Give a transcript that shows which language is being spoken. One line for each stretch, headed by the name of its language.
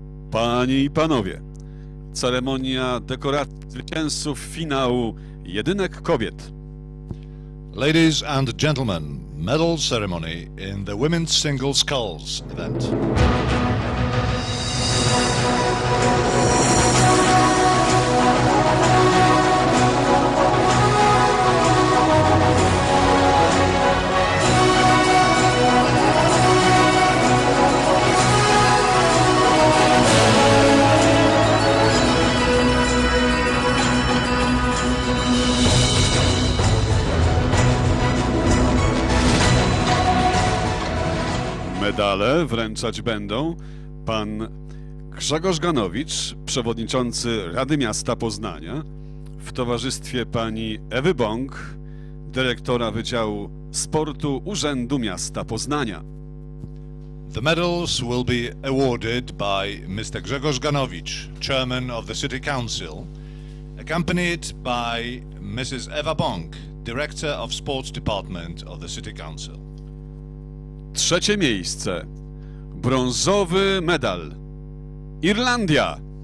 Polish: Panie i panowie, ceremonia dekoracji zwycięzców finału jedynek kobiet.
English: Ladies and gentlemen, medal ceremony in the women's single sculls event.
Polish: medale wręczać będą pan Grzegorz Ganowicz, przewodniczący Rady Miasta Poznania, w towarzystwie pani Ewy Bąk, dyrektora Wydziału Sportu Urzędu Miasta Poznania.
English: The medals will be awarded by Mr. Grzegorz Ganowicz, Chairman of the City Council, accompanied by Mrs. Ewa Bąk, Director of Sports Department of the City Council.
Polish: Trzecie miejsce. Brązowy medal. Irlandia.